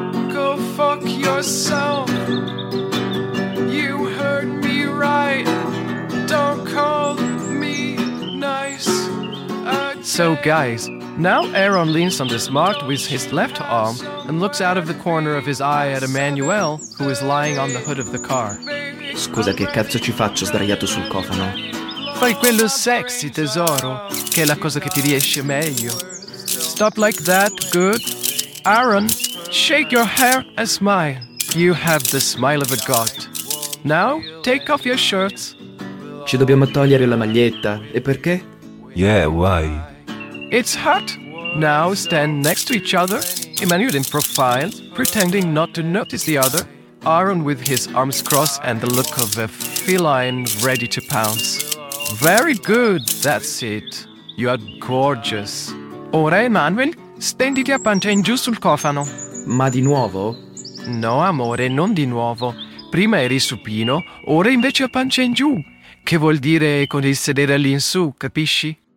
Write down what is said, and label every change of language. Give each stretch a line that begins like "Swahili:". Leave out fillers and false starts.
English: Go fuck yourself. You heard me right. Don't call me nice. So, guys, now Aaron leans on the smart with his left arm and looks out of the corner of his eye at Emmanuel, who is lying on the hood of the car.
Italian: Scusa, che cazzo ci faccio sdraiato sul cofano? Fai quello sexy, tesoro, che è la cosa che ti riesce meglio.
English: Stop like that, good. Aaron, shake your hair and smile. You have the smile of a god. Now, take off your shirts.
Italian: Ci dobbiamo togliere la maglietta, e perché?
English: Yeah, why? It's hot. Now stand next to each other. Emmanuel in profile, pretending not to notice the other. Aaron with his arms crossed and the look of a feline ready to pounce. Very good, that's it. You are gorgeous.
Italian: Ora, Emmanuel, stenditi a pancia in giù sul cofano. Ma di nuovo? No, amore, non di nuovo. Prima eri supino, ora invece a pancia in giù. Che vuol dire con il sedere all'insù, capisci?